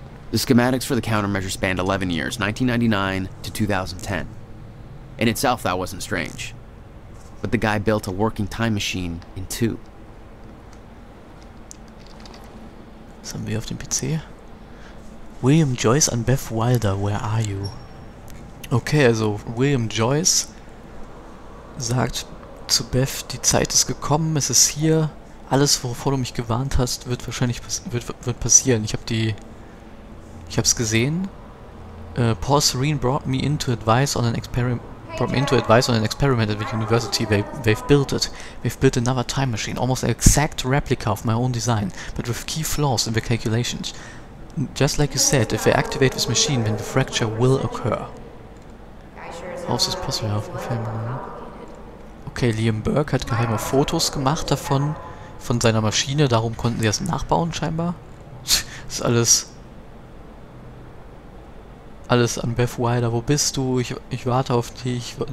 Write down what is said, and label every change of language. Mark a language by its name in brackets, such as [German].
[English] The schematics for the countermeasure spanned 11 years, 1999 to 2010. In itself, that wasn't strange. But the guy built a working time machine in two. [German] Was haben wir auf dem PC? [English] William Joyce and Beth Wilder, where are you? [German] Okay, also William Joyce sagt zu Beth, die Zeit ist gekommen, es ist hier. Alles, wovor du mich gewarnt hast, wird wahrscheinlich wird passieren. Ich hab's gesehen. [English] Paul Serene brought me in to advise on an experiment. From Into Advice on an experiment at the university, they've built another time machine, almost an exact replica of my own design, but with key flaws in the calculations. Just like you said, if they activate this machine, then the fracture will occur. How is this possible? [German] Okay, Liam Burke hat geheime Fotos gemacht davon, von seiner Maschine, darum konnten sie das nachbauen scheinbar. Das ist alles... Alles an Beth Wilder, wo bist du? Ich warte auf dich.